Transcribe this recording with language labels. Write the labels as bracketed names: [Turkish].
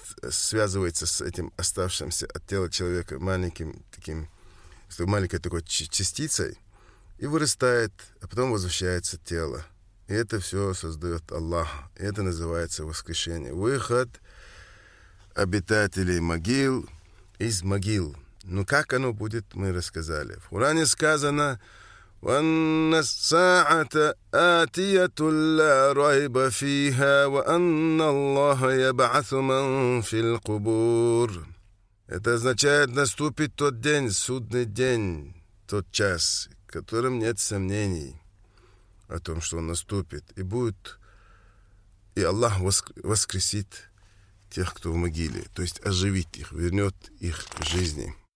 [Russian] связывается с этим оставшимся от тела человека маленьким таким, маленькой такой частицей, и вырастает, а потом возвращается тело. И это все создает Аллах. И это называется воскрешение. Выход обитателей могил из могил. Но как оно будет, мы рассказали. В Коране сказано: [Arabic] وَالنَّسَاعَةَ آتِيَةُ لَا رَيْبَ فِيهَا وَأَنَّ اللَّهَ يَبْعَثُ مَنْ فِي الْقُبُورِ. [Russian] Это означает, наступит тот день, судный день, тот час, в котором нет сомнений о том, что он наступит, и будет, и Аллах воскресит тех, кто в могиле, то есть оживит их, вернет их к жизни.